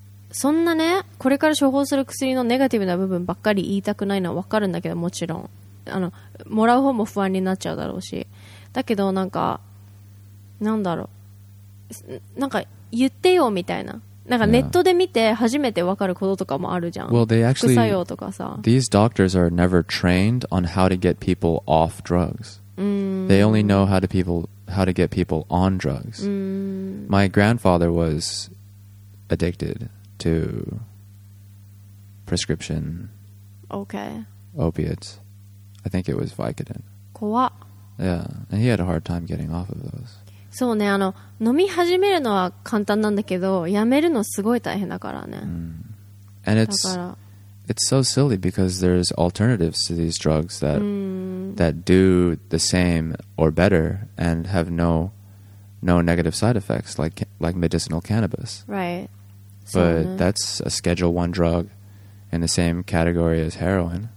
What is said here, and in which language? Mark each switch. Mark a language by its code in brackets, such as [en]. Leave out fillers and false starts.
[ja] そんなね、これから処方する薬のネガティブな部分ばっかり言いたくないのはわかるんだけど、もちろんもらう方も不安になっちゃうだろうし、だけどなんかなんだろう、なんか言ってよみたいな、なんかネットで見て初めて分かることとかもあるじゃん。 [en] Well, they actually, [ja] 副作用とかさ、 [en] These doctors are never trained on how to get people off drugs. They only know how to get people on drugs. My grandfather was addicted to prescription opiates. I think it was Vicodin. [ja] 怖っ。 [en] Yeah, and he had a hard time getting off of those. [ja] そうね、飲み始めるのは簡単なんだけど、やめるのすごい大変だからね。 [en] And it's so silly because there's alternatives to these drugs that do the same or better and have no negative side effects like medicinal cannabis. Right. But that's a Schedule I drug in the same category as heroin.